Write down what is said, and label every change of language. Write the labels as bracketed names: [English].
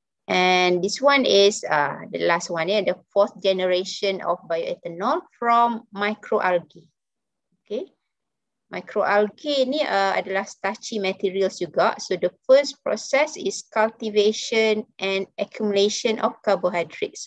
[English] And this one is the last one ya, the fourth generation of bioethanol from microalgae. Okay. [Malay] Microalgae ni adalah starchy materials juga. [English] So the first process is cultivation and accumulation of carbohydrates.